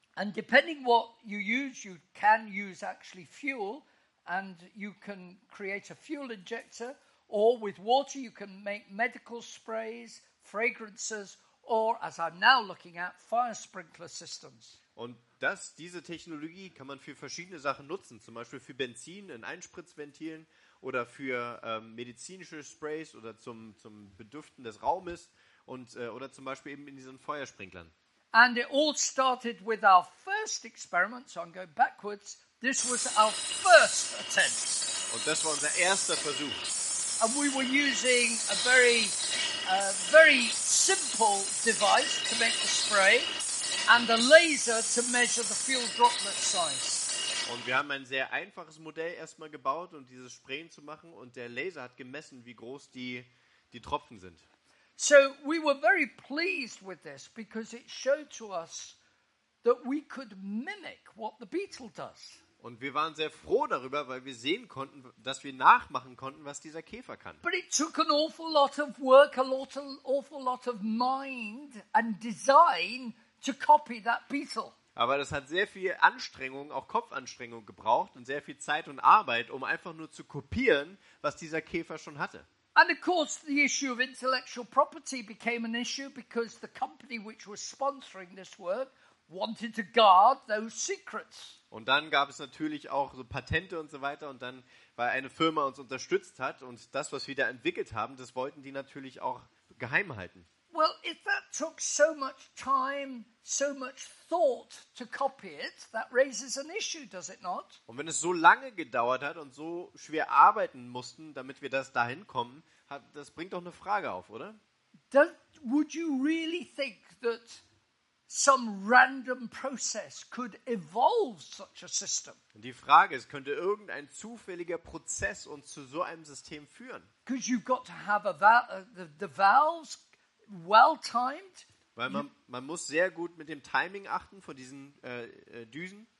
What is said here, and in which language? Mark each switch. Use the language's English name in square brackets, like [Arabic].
[English] And depending what you can use actually fuel, and you can create a fuel injector, or with water you can make medical sprays, fragrances, or as I'm now looking at, fire sprinkler systems. [German] Und diese Technologie kann man für verschiedene Sachen nutzen, zum Beispiel für Benzin in Einspritzventilen oder für medizinische Sprays oder zum Bedüften des Raumes und oder zum Beispiel eben in diesen Feuersprinklern. [English] And it all started with our first experiment, so I'm going backwards. This was our first attempt. [German] Und das war unser erster Versuch. [English] And we were using a very very simple device to make the spray and a laser to measure the fuel droplet size. [German] Und wir haben ein sehr einfaches Modell erstmal gebaut, um dieses Sprayen zu machen, und der Laser hat gemessen, wie groß die Tropfen sind. [English] So we were very pleased with this because it showed to us that we could mimic what the beetle does. [German] Und wir waren sehr froh darüber, weil wir sehen konnten, dass wir nachmachen konnten, was dieser Käfer kann. [English] But it took an awful lot of work, an awful lot of mind and design to copy that beetle. [German] Aber das hat sehr viel Anstrengung, auch Kopfanstrengung gebraucht und sehr viel Zeit und Arbeit, um einfach nur zu kopieren, was dieser Käfer schon hatte. [English] And of course the issue of intellectual property became an issue because the company which was sponsoring this work wanted to guard those secrets. [German] Und dann gab es natürlich auch so Patente und so weiter, und dann, weil eine Firma uns unterstützt hat und das, was wir da entwickelt haben, das wollten die natürlich auch geheim halten. [English] Well, if that took so much time, so much thought to copy it, that raises an issue, does it not? [German] Und wenn es so lange gedauert hat und so schwer arbeiten mussten, damit wir das dahin kommen, das bringt doch eine Frage auf, oder? [English] Would you really think that some random process could evolve such a system? [German] Und die Frage ist, könnte irgendein zufälliger Prozess uns zu so einem System führen? [English] Because you've got to have the valves well timed. [German] Weil man muss sehr gut mit dem Timing achten von diesen Düsen.